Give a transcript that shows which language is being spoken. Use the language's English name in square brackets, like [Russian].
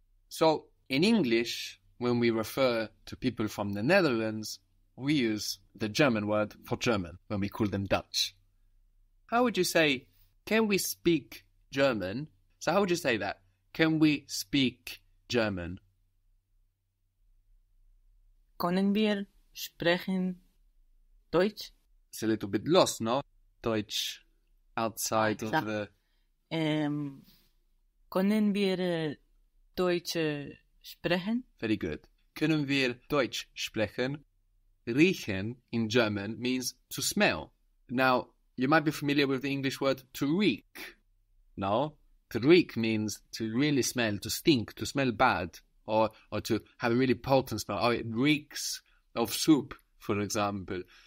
[English] So in English, when we refer to people from the Netherlands, we use the German word for German when we call them Dutch. How would you say, can we speak German? So how would you say that? Can we speak German? [German] Können wir sprechen Deutsch? [English] It's a little bit lost, no? Deutsch outside of the... [German] Können wir Deutsch sprechen? [English] Very good. [German] Können wir Deutsch sprechen? [English] Riechen in German means to smell. Now, you might be familiar with the English word to reek. No? To reek means to really smell, to stink, to smell bad, or to have a really potent smell. Oh, it reeks of soup, for example.